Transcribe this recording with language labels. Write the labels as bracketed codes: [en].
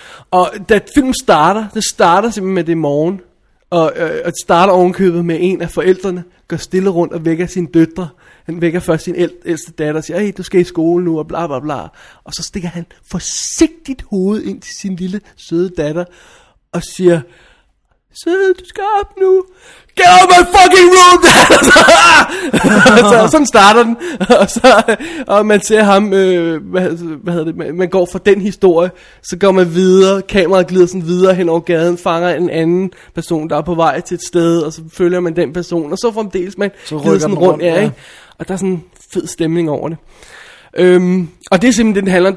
[da] Og da filmen starter, det starter simpelthen med det morgen, og starter ovenkøbet med en af forældrene, går stille rundt og vækker sine døtre. Han vækker først sin ældste datter og siger, hey, du skal i skole nu, og bla bla bla. Og så stikker han forsigtigt hovedet ind til sin lille søde datter, og siger, søde, du skal op nu. [en] Get out of my fucking room, datter! [da] Sådan starter den. Og man ser ham, hvad hedder det, man går fra den historie, så går man videre, kameraet glider sådan videre hen over gaden, fanger en anden person, der er på vej til et sted, og så følger man den person, og så fremdeles man så glider sådan rundt, ja, ikke? Og der er sådan en fed stemning over det. Og det er simpelthen, den handler om.